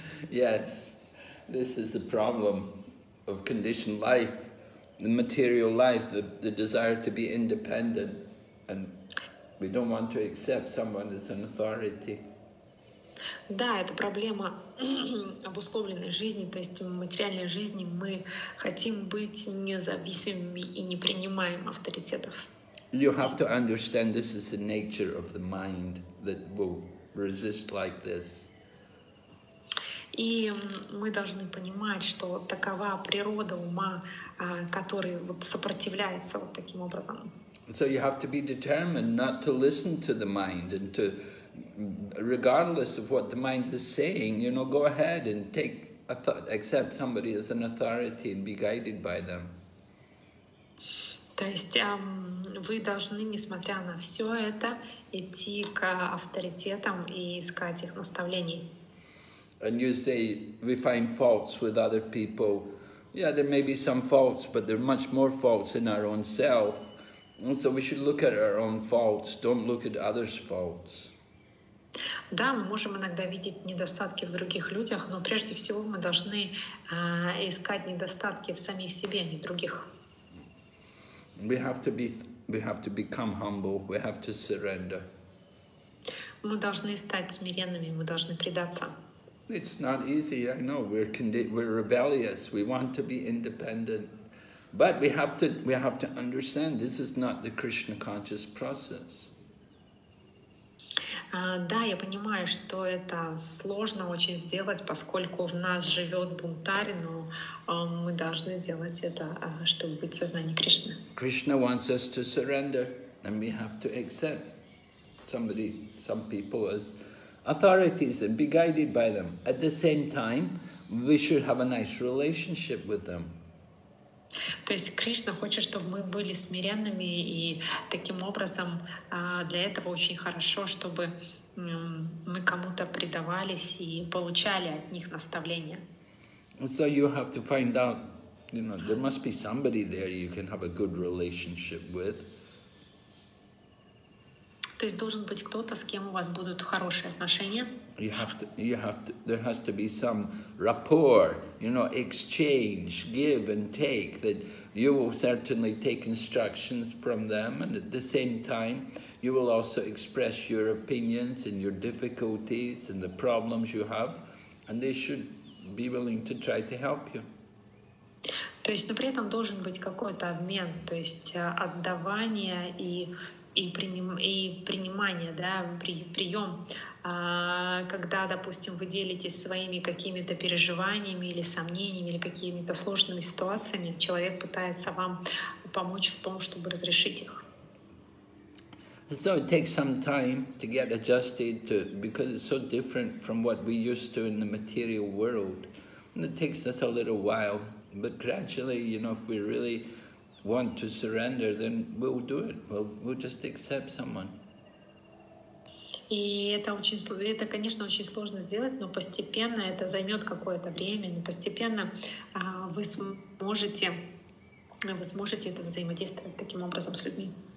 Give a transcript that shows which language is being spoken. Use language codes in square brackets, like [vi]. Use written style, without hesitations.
[en] Yes, this is the problem of conditioned life, the material life, the desire to be independent, and we don't want to accept someone as an authority. [ru] Да, это проблема обусловленной жизни, то есть в материальной жизни мы хотим быть независимыми и не принимаем авторитетов. [en] You have to understand this is the nature of the mind that will resist like this. [ru] И мы должны понимать, что такова природа ума, который вот сопротивляется вот таким образом. [en] So you have to be determined not to listen to the mind and to, regardless of what the mind is saying, you know, go ahead and take accept somebody as an authority and be guided by them. [ru] То есть вы должны, несмотря на все это, идти к авторитетам и искать их наставлений. [en] And you say we find faults with other people. Yeah, there may be some faults, but there are much more faults in our own self. And so we should look at our own faults. Don't look at others' faults. [ru] Да, мы можем иногда видеть недостатки в других людях, но прежде всего мы должны искать недостатки в самих себе, а не в других. [en] We have to become humble. We have to surrender. [ru] Мы должны стать смиренными. Мы должны предаться. [en] It's not easy. I know we're rebellious. We want to be independent, but we have to understand this is not the Krishna conscious process. [ru] Да, я понимаю, что это сложно очень сделать, поскольку в нас живет бунтарь, но мы должны делать это, чтобы быть в сознании Кришны. [en] Krishna wants us to surrender, and we have to accept some people as authorities and be guided by them. At the same time, we should have a nice relationship with them. [ru] То есть Кришна хочет, чтобы мы были смиренными, и таким образом для этого очень хорошо, чтобы мы кому-то предавались и получали от них наставления. [en] So you have to find out, you know, there must be somebody there you can have a good relationship with. [ru] То есть должен быть кто-то, с кем у вас будут хорошие отношения. [en] There has to be some rapport, you know, exchange, give and take, that you will certainly take instructions from them, and at the same time, you will also express your opinions and your difficulties and the problems you have, and they should be willing to try to help you. [ru] То есть, но при этом должен быть какой-то обмен, то есть отдавание и принимание, да, прием, когда, допустим, вы делитесь своими какими-то переживаниями или сомнениями или какими-то сложными ситуациями, человек пытается вам помочь в том, чтобы разрешить их. [en] So it takes some time to get adjusted to, because it's so different from what we used to in the material world. And it takes us a little while, but gradually, you know, if we really want to surrender, then we'll do it. We'll just accept someone. [ru] И это, конечно, очень сложно сделать, но постепенно это займет какое-то время, но постепенно вы сможете это взаимодействовать таким образом с людьми.